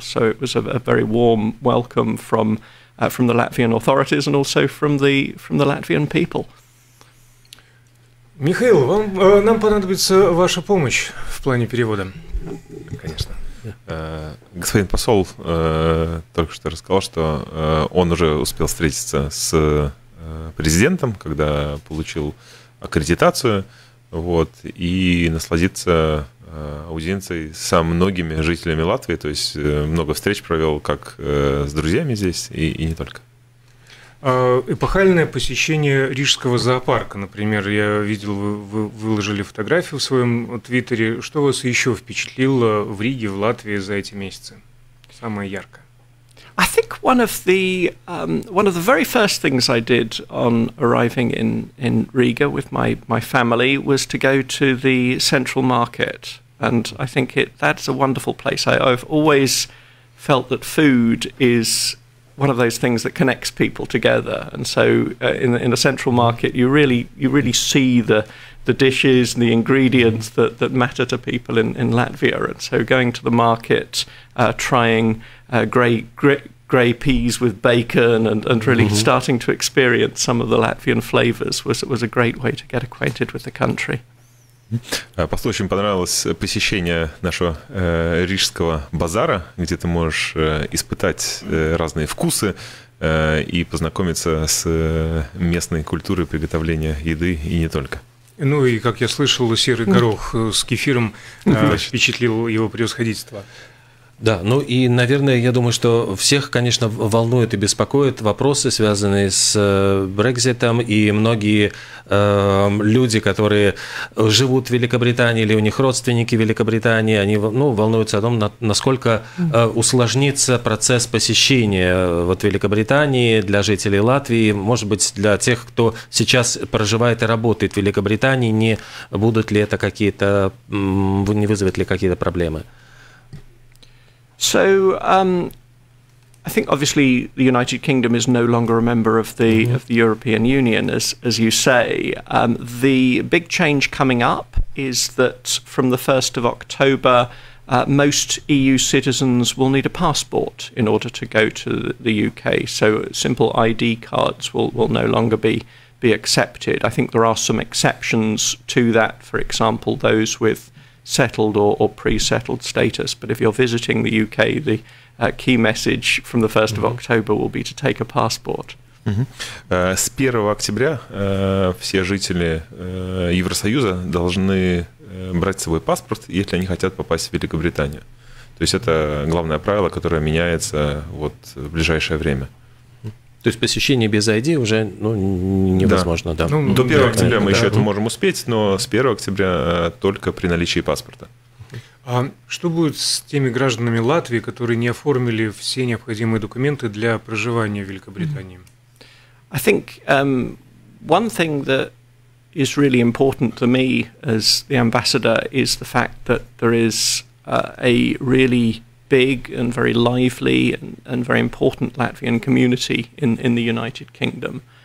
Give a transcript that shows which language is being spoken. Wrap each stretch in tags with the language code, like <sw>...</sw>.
<en>So it was a very warm welcome from the Latvian authorities and also from the Latvian people.</en> <ru>Михаил, вам нам понадобится ваша помощь в плане перевода. Конечно. Господин посол только что рассказал, что он уже успел встретиться с президентом, когда получил аккредитацию, вот, и насладиться аудиенцией со многими жителями Латвии, то есть много встреч провел как с друзьями здесь и не только. Эпохальное посещение Рижского зоопарка, например, я видел, вы выложили фотографию в своем твиттере. Что вас еще впечатлило в Риге, в Латвии за эти месяцы? Самое яркое.</ru> <en>I think one of the very first things I did on arriving in Riga with my family was to go to the central market, and I think that's a wonderful place. I've always felt that food is one of those things that connects people together, and so in a central market you really see the dishes and the ingredients that matter to people in Latvia. And so going to the market, trying grey peas with bacon and really starting to experience some of the Latvian flavors was a great way to get acquainted with the country.</en> <ru>Послу очень понравилось посещение нашего рижского базара, где ты можешь испытать разные вкусы и познакомиться с местной культурой приготовления еды и не только. Ну и, как я слышал, серый горох с кефиром впечатлил его превосходительство. Да, ну и, наверное, я думаю, что всех, конечно, волнует и беспокоит вопросы, связанные с Брекзитом, и многие люди, которые живут в Великобритании или у них родственники в Великобритании, они волнуются о том, насколько усложнится процесс посещения вот Великобритании для жителей Латвии, может быть, для тех, кто сейчас проживает и работает в Великобритании, не будут ли это какие-то, не вызовет ли какие-то проблемы?</ru> <en>So I think obviously the United Kingdom is no longer a member of the of the European Union, as you say. The big change coming up is that from the 1st of October, most EU citizens will need a passport in order to go to the UK. So simple ID cards will no longer be accepted. I think there are some exceptions to that, for example, those with settled or pre-settled status, but if you're visiting the UK, the key message from the 1st of October will be to take a passport.</en> <ru>С 1 октября все жители Евросоюза должны брать с собой паспорт, если они хотят попасть в Великобританию. То есть это главное правило, которое меняется вот в ближайшее время. То есть посещение без ID уже невозможно, да? Ну, до 1 октября мы еще это можем успеть, но с 1 октября только при наличии паспорта. А что будет с теми гражданами Латвии, которые не оформили все необходимые документы для проживания в Великобритании?</ru> <en>I think one thing that is really important to me as the ambassador is the fact that there is a really big and very lively and very important Latvian community in the United Kingdom.</en>